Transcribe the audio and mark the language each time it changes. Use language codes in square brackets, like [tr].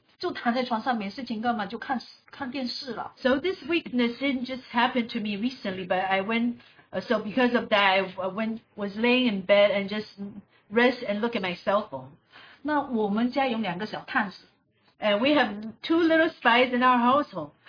[zh] 休息，不然当然这个暖络不是这个时候才有的。那在家里面就躺在床上没事情干嘛，就看电视了。 [en] So this weakness didn't just happen to me recently, but I went. So because of that, I went was laying in bed and just rest and look at my cell phone. [zh] 那我们家有两个小探子。 [en] And we have two little spies in our household.